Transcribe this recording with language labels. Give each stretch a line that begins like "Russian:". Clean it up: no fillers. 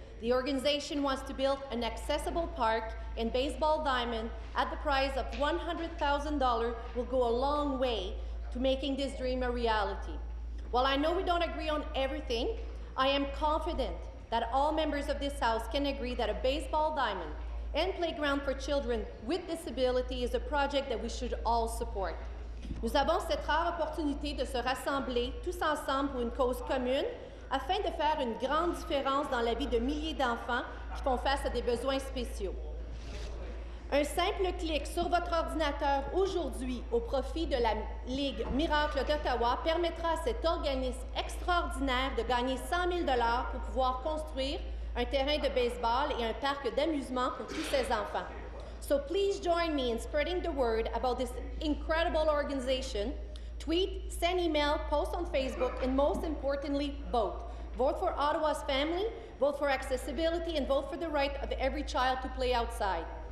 English: The organization wants to build an accessible park and baseball diamond at the price of $100,000 will go a long way to making this dream a reality. While I know we don't agree on everything, I am confident that all members of this House can agree that a baseball diamond and playground for children with disability is a project that we should all support.
French: Nous avons cette rare opportunité de se rassembler tous ensemble pour une cause commune afin de faire une grande différence dans la vie de milliers d'enfants qui font face à des besoins spéciaux. Un simple clic sur votre ordinateur aujourd'hui au profit de la Ligue Miracle d'Ottawa permettra à cet organisme extraordinaire de gagner 100 000 $ pour pouvoir construire un terrain de baseball et un parc d'amusement pour tous ses enfants.
English: So please join me in spreading the word about this incredible organization. Tweet, send email, post on Facebook, and most importantly, vote. Vote for Ottawa's family, vote for accessibility, and vote for the right of every child to play outside.